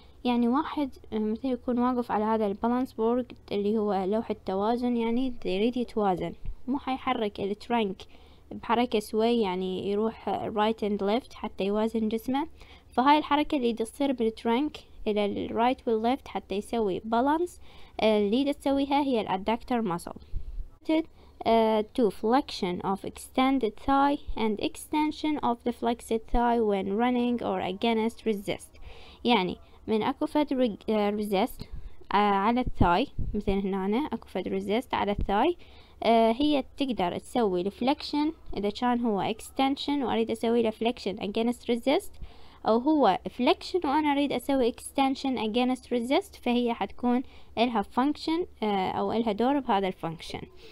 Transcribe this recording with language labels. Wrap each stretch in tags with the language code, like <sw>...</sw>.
<ar>يعني واحد مثل يكون واقف على هذا البالانس بورد اللي هو لوحة توازن، يعني يريد يتوازن مو حيحرك الترنك بحركة سوي يعني يروح</ar> <en>right and left</en> <ar>حتى يوازن جسمه، فهاي الحركة اللي تصير بالترنك الى الرايت والليفت حتى يسوي بالانس اللي تسويها هي الادكتور ماسل.</ar> <en>to flexion of extended thigh and extension of the flexed thigh when running or against resist.</en> <ar>يعني من اكو فد resist على الثاي مثل هنا أنا اكو فد resist على الثاي هي تقدر تسوي الفلكشن اذا كان هو extension واريد اسوي الفلكشن</ar> <en>against resist</en> <ar>او هو flexion وانا اريد اسوي extension against resist فهي حتكون الها function او الها دور بهذا الفانكشن.</ar>